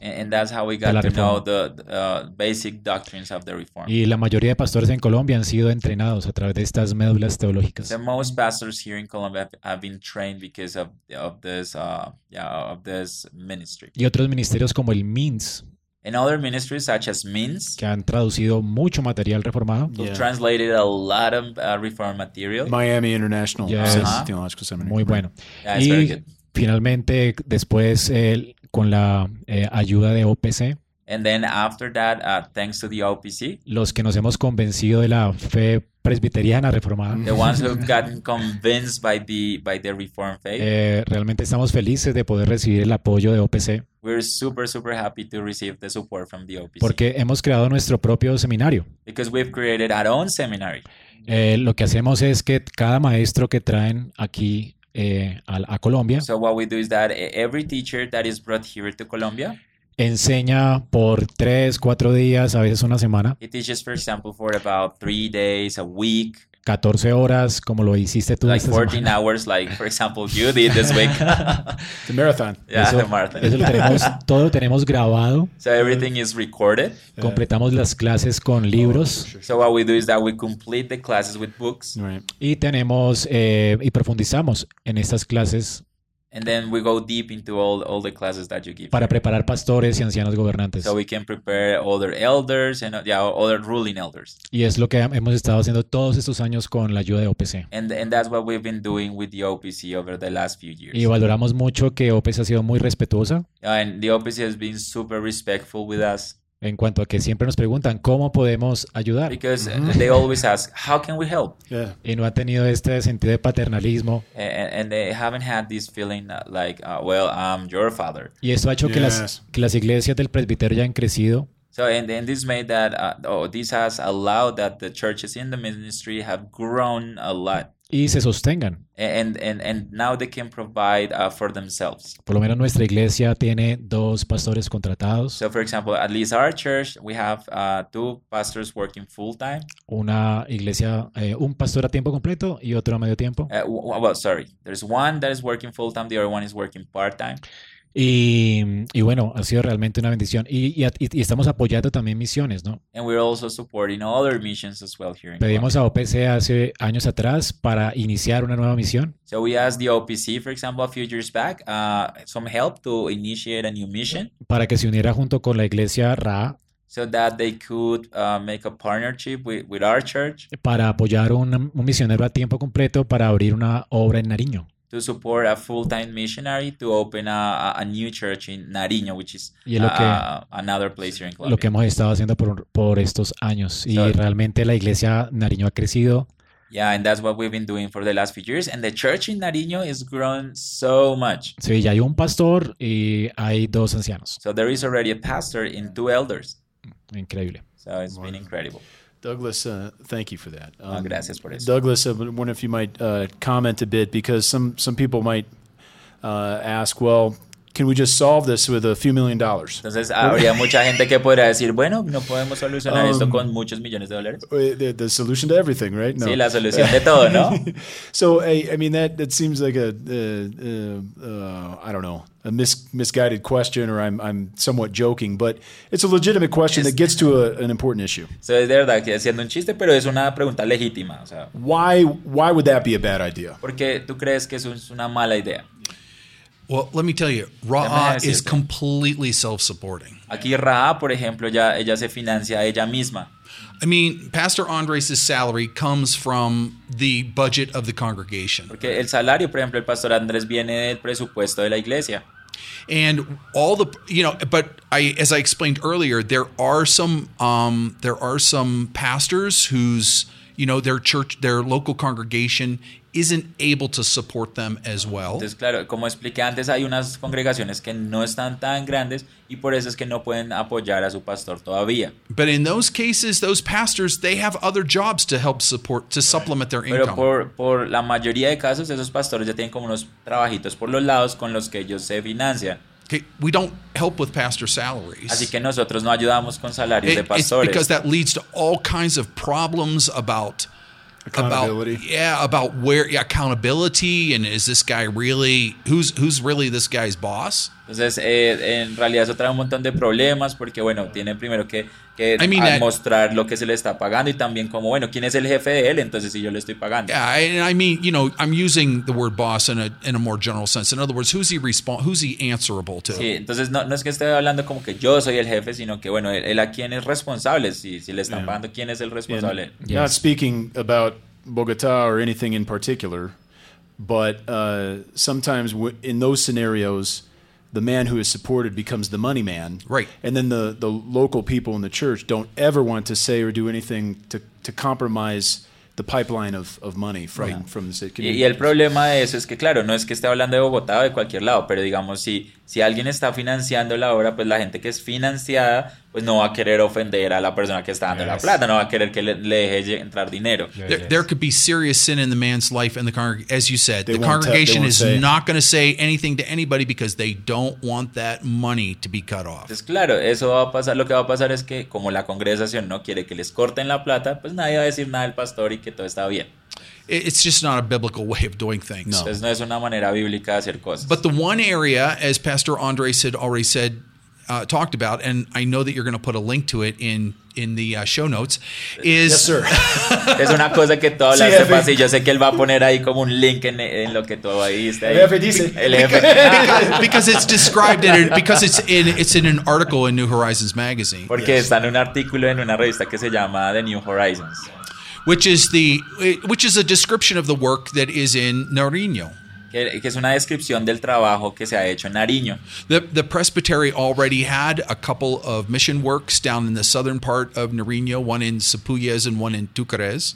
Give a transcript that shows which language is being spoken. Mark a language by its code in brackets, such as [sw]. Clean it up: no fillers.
[en] And that's how we got to know the basic doctrines of the Reform. [es] Y la mayoría de pastores en Colombia han sido entrenados a través de estas médulas teológicas. [en] The most pastors here in Colombia have been trained because of this ministry. [es] Y otros ministerios como el MINS. [en] In other ministries such as MINS, [es] que han traducido mucho material reformado. [en] Yeah. They've translated a lot of reformed material. Miami International, yes. Theological Seminary. [es] Muy bueno. [en] Yeah, [es] y finalmente, después, con la ayuda de OPC. [en] And then after that, thanks to the OPC. [es] Los que nos hemos convencido de la fe presbiteriana reformada. [en] The ones who've gotten convinced by the Reformed faith. [es] Realmente estamos felices de poder recibir el apoyo de OPC. [en] We're super, super happy to receive the support from the OPC. [es] Porque hemos creado nuestro propio seminario. [en] Because we've created our own seminary. [es] Lo que hacemos es que cada maestro que traen aquí a Colombia. [en] So what we do is that every teacher that is brought here to Colombia. [es] Enseña por 3-4 días, a veces una semana. [en] He teaches, for example, for about 3 days a week. [es] 14 horas, como lo hiciste tú [en] like [es] esta semana. [en] 14 hours, like, for example, you did this week. The marathon. Yeah, the marathon. [es] Eso lo tenemos, todo lo tenemos grabado. [en] So everything is recorded. [es] Completamos las clases con libros. [en] So what we do is that we complete the classes with books. Right. [es] Y tenemos, y profundizamos en estas clases. [en] And then we go deep into all the classes that you give. [es] Para preparar pastores y ancianos gobernantes. [en] So we can prepare other elders and other ruling elders. [es] Y es lo que hemos estado haciendo todos estos años con la ayuda de OPC. [en] And that's what we've been doing with the OPC over the last few years. [es] Y valoramos mucho que OPC ha sido muy respetuosa. [en] And the OPC has been super respectful with us. [es] En cuanto a que siempre nos preguntan cómo podemos ayudar. [en] Because they always ask, how can we help? Yeah. [es] Y no ha tenido este sentido de paternalismo. [en] And they haven't had this feeling like, well, I'm your father. [es] Y eso ha hecho [en] yes. [es] que las iglesias del presbiterio ya han crecido. [en] So and this made that this has allowed that the churches in the ministry have grown a lot. [es] Y se sostengan. [en] And now they can provide for themselves. [es] Por lo menos nuestra iglesia tiene dos pastores contratados. [en] So for example, at least our church, we have two pastors working full time. [es] Una iglesia, un pastor a tiempo completo y otro a medio tiempo. [en] There's one that is working full time, the other one is working part time. [es] Y bueno, ha sido realmente una bendición. Y estamos apoyando también misiones, ¿no? [en] And we're also supporting other missions as well here in [es] Pedimos a OPC hace años atrás para iniciar una nueva misión. [en] So we asked the OPC, for example, a few years back, some help to initiate a new mission. [es] Para que se uniera junto con la iglesia Ra. [en] So that they could make a partnership with our church. [es] Para apoyar un misionero a tiempo completo para abrir una obra en Nariño. [en] To support a full-time missionary to open a new church in Nariño, which is another place here in Colombia. [es] Lo que hemos estado haciendo por estos años. Y realmente la iglesia Nariño ha crecido. [en] Yeah, and that's what we've been doing for the last few years. And the church in Nariño has grown so much. [es] Sí, ya hay un pastor y hay dos ancianos. [en] So there is already a pastor and two elders. [es] Increíble. [en] So it's been incredible. Douglas, thank you for that. [es] Gracias por eso. [en] Douglas, I wonder if you might comment a bit, because some people might ask, well, can we just solve this with a few million dollars? [es] Entonces, habría mucha gente que podría decir, bueno, no podemos solucionar esto con muchos millones de dólares. [en] The solution to everything, right? [es] No. Sí, la solución de todo, ¿no? [en] So, I mean, that seems like I don't know. A misguided question, or I'm somewhat joking, but it's a legitimate question that gets to an important issue. [es] So es verdad que haciendo un chiste, pero es una pregunta legítima. O sea, [en] why would that be a bad idea? [es] Porque tú crees que eso es una mala idea. [en] Well, let me tell you, Ra'a is completely self-supporting. [es] Aquí Ra'a, por ejemplo, ya ella se financia a ella misma. [en] I mean, Pastor Andres' salary comes from the budget of the congregation. [es] Porque el salario, por ejemplo, el pastor Andrés viene del presupuesto de la iglesia. [en] And all the, you know, but I, as I explained earlier, there are some pastors whose, you know, their church, their local congregation isn't able to support them as well. [es] Entonces, claro, como expliqué antes, hay unas congregaciones que no están tan grandes y por eso es que no pueden apoyar a su pastor todavía. [en] But in those cases, those pastors, they have other jobs to help support, to supplement their income. [es] Pero por la mayoría de casos, esos pastores ya tienen como unos trabajitos por los lados con los que ellos se financian. [en] Okay, we don't help with pastor salaries. [es] Así que nosotros no ayudamos con salarios de pastores. [en] It's because that leads to all kinds of problems about accountability. Accountability, and is this guy really who's really this guy's boss? [es] Entonces, en realidad eso trae un montón de problemas porque bueno, tiene primero que mostrar lo que se le está pagando y también como bueno, ¿quién es el jefe de él? Entonces, si yo le estoy pagando. [en] Yeah, and I mean, you know, I'm using the word boss in a more general sense. In other words, who's he answerable to? [es] Sí, entonces no es que esté hablando como que yo soy el jefe, sino que bueno, él a quién es responsable si le están pagando, ¿quién es el responsable? [en] Yes. Not speaking about Bogotá or anything in particular, but sometimes in those scenarios the man who is supported becomes the money man. Right. And then the local people in the church don't ever want to say or do anything to compromise the pipeline of money from the city. [es] Y el problema de eso es que, claro, no es que esté hablando de Bogotá o de cualquier lado, pero digamos, si alguien está financiando la obra, pues la gente que es financiada, pues no va a querer ofender a la persona que está dando la plata, no va a querer que le deje entrar dinero. [en] There could be serious sin in the man's life and the congregation, as you said, the congregation is not going to say anything to anybody because they don't want that money to be cut off. [es] Entonces, claro, eso va a pasar, lo que va a pasar es que como la congregación no quiere que les corten la plata, pues nadie va a decir nada al pastor y que todo está bien. [en] It's just not a biblical way of doing things. [es] No. Entonces, no es una manera bíblica de hacer cosas. [en] But the one area, as Pastor Andres had already said, talked about, and I know that you're going to put a link to it in the show notes, is... Yes, sir. [es] Es una cosa que tú hablas de paso, y yo sé que él va a poner ahí como un link en lo que tú ahí está ahí. El jefe dice. El jefe. [en] Because it's described in it, because it's in an article in New Horizons magazine. [es] Porque está en un artículo en una revista que se llama The New Horizons. [en] Which is a description of the work that is in Nariño. [es] que es una descripción del trabajo que se ha hecho en Nariño. [en] The presbytery already had a couple of mission works down in the southern part of Nariño, one in Sapuyes and one in Tucares.